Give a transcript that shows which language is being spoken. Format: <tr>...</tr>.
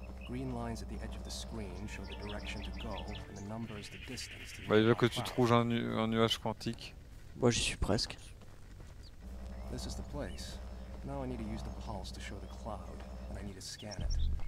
<en>Green lines at the edge of the screen show the direction to go and the numbers the distance.</en> <fr>Bah il veut que tu trouves un nuage quantique. Moi j'y suis presque.</fr> <en>This is the place. Now I need to use the pulse to show the cloud and I need to scan it.</en>